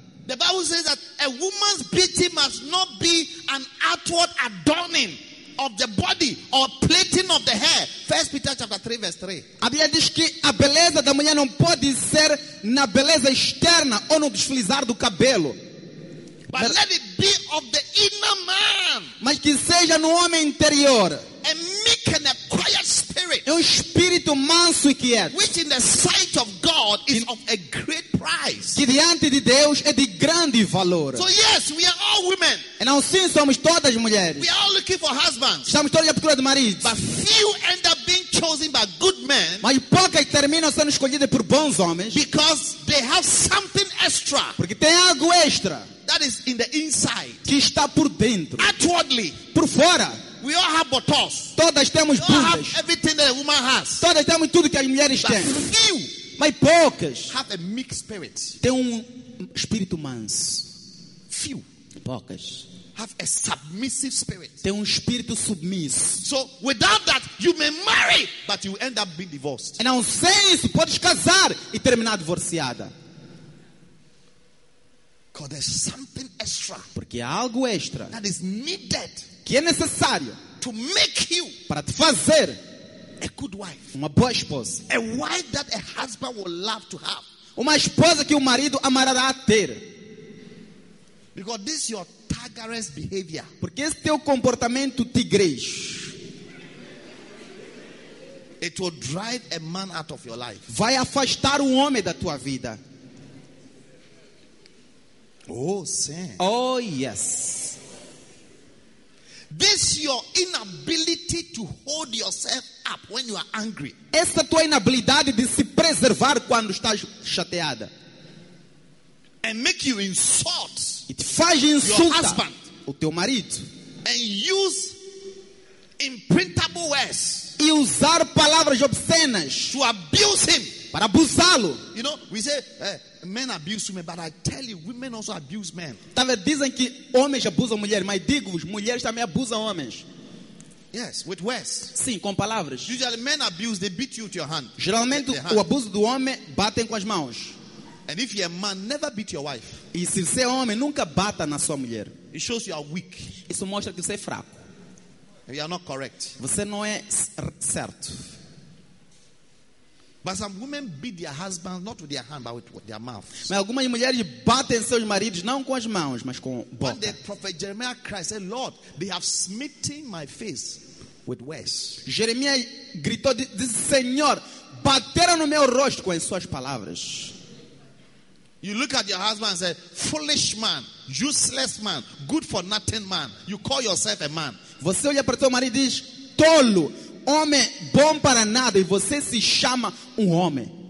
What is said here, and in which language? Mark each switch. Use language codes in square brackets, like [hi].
[en] The Bible says that a woman's beauty must not be an outward adorning of the body or plaiting of the hair. 1 Peter chapter 3 verse 3. [pt] A Bíblia diz que a beleza da mulher não pode ser na beleza externa ou no deslizar do cabelo. [en] But let it be of the inner man. [pt] Mas que seja no homem interior. [en] A meek and a quiet spirit. [pt] É espírito manso e quieto. [en] Which in the sight of God is of a great price. [pt] Que diante de Deus é de grande valor. [en] So yes, we are all women. [pt] E não sim, somos todas mulheres. [en] We are all looking for husbands. [pt] Estamos todos à procura de maridos. [en] But few end up being chosen by good men. [pt] Mas poucas terminam sendo escolhidas por bons homens. [en] Because they have something extra. [pt] Porque tem algo extra. [en] That is in the inside. [pt] Que está por dentro. [en] Outwardly. [pt] Por fora. [en] We all have buttocks. [pt] Todas temos bundas. [en] We all have everything that a woman has. [pt] Todas temos tudo que as mulheres têm. [en] Few, [pt] mas poucas. [en] Have a meek spirit. [pt] Tem espírito manso. [en] Few, [pt] poucas. [en] Have a submissive spirit. [pt] Tem espírito submisso. [en] So without that, you may marry, but you end up being divorced. [pt] E não sem isso podes casar e terminar divorciada. [en] Because there's something extra. [pt] Porque há algo extra. [en] That is needed. [pt] Que é necessário [en] to make you [pt] para te fazer [en] a good wife, [pt] uma boa esposa, [en] a wife that a husband will love to have, [pt] uma esposa que o marido amará ter. [en] Because this is your tigress behavior. [pt] Porque esse teu comportamento tigres, [en] it will drive a man out of your life. [pt] Vai afastar homem da tua vida. Oh, sim. [en] Oh, yes. This your inability to hold yourself up when you are angry. [pt] Essa tua inabilidade de se preservar quando estás chateada. [en] And make you insult. [pt] It faz insulta [en] your husband, [pt] o teu marido. [en] And use imprintable words. [pt] E usar palavras obscenas. [en] To abuse him. [pt] Para abusá-lo. [en] You know, we say, men abuse women, but I tell you, women also abuse men. [pt] Talvez dizem que homens abusam mulheres, mas digo-vos, mulheres também abusam homens. [en] Yes, with words. [pt] Sim, com palavras. [en] Usually men abuse, they beat you with your hand. [pt] Geralmente o abuso do homem batem com as mãos. [en] And if you're a man, never beat your wife. [pt] E se você é homem, nunca bata na sua mulher. [en] It shows you are weak. [pt] Isso mostra que você é fraco. [en] And you are not correct. [pt] Você não é certo. [en] But some women beat their husbands not with their hand but with their mouth. [pt] Mas algumas mulheres batem seus maridos não com as mãos, mas com boca. [en] When the prophet Jeremiah cried, said, "Lord, they have smitten my face with words." [pt] Jeremias gritou, disse, "Senhor, bateram no meu rosto com as suas palavras." [en] You look at your husband and say, "Foolish man, useless man, good for nothing man." You call yourself a man. [pt] Você olha para teu marido e diz, "Tolo." Homem bom para nada e você se chama homem.